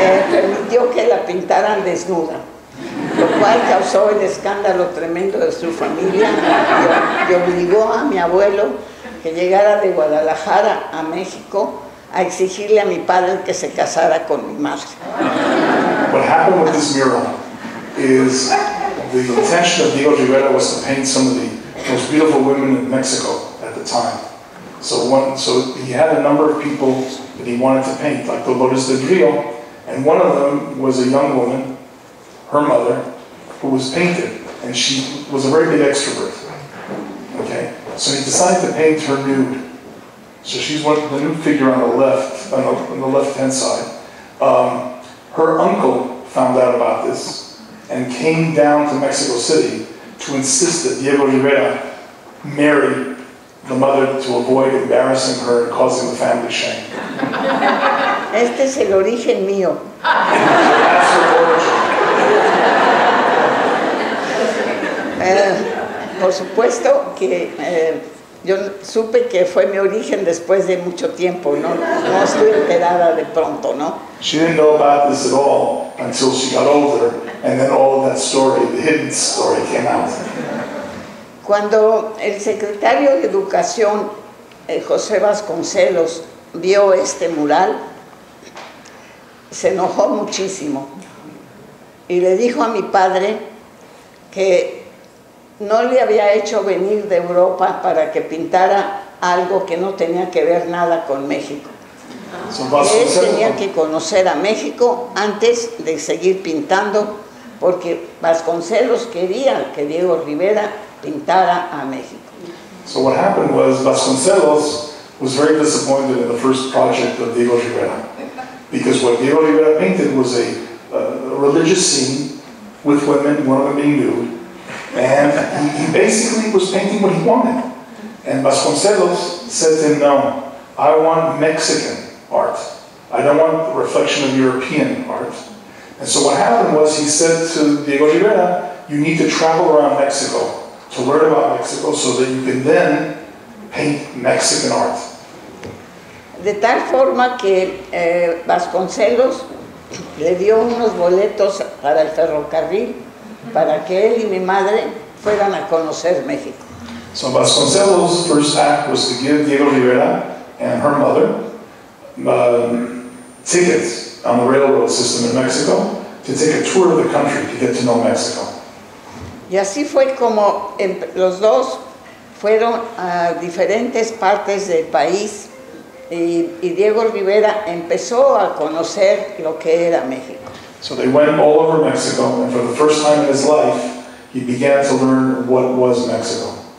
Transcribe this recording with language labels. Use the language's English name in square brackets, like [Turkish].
[Spanish] permitió que la pintaran desnuda, lo cual causó el escándalo tremendo de su familia y obligó a mi abuelo que llegara de Guadalajara a México a exigirle a mi padre que se casara con mi madre. [English] What happened with this mural is the intention of Diego Rivera was to paint some of the most beautiful women in Mexico at the time. So he had a number of people that he wanted to paint, like Dolores del Río, and one of them was a young woman, her mother, who was painted, and she was a very big extrovert. Okay, so he decided to paint her nude. So she's one of the nude figure on the left, on the left hand side. Her uncle found out about this and came down to Mexico City to insist that Diego Rivera marry the mother to avoid embarrassing her and causing the family shame. [Spanish] Este es el origen mío. [English] That's her origin. [Spanish] Por supuesto que yo supe que fue mi origen después de mucho tiempo, ¿no? No estoy enterada de pronto, ¿no? [English] She didn't know about this at all until she got older, and then all of that story, the hidden story, came out. [Spanish] Cuando el secretario de Educación, José Vasconcelos, vio este mural, se enojó muchísimo y le dijo a mi padre que no le había hecho venir de Europa para que pintara algo que no tenía que ver nada con México. Él tenía que conocer a México antes de seguir pintando, porque Vasconcelos quería que Diego Rivera pintara a México. [English] So what happened was Vasconcelos was very disappointed in the first project of Diego Rivera, because what Diego Rivera painted was a religious scene with women, one of them being nude, and he basically was painting what he wanted. And Vasconcelos said to him, no, I want Mexican art. I don't want the reflection of European art. And so what happened was he said to Diego Rivera, you need to travel around Mexico to learn about Mexico so that you can then paint Mexican art. [Spanish] De tal forma que Vasconcelos le dio unos boletos para el ferrocarril para que él y mi madre fueran a conocer México. [English] So Vasconcelos' first act was to give Diego Rivera and her mother tickets on the railroad system in Mexico to take a tour of the country to get to know Mexico. [Spanish] Y así fue como los dos fueron a diferentes partes del país y Diego Rivera empezó a conocer lo que era México. [English] So they went all over Mexico, and for the first time in his life, he began to learn what was Mexico.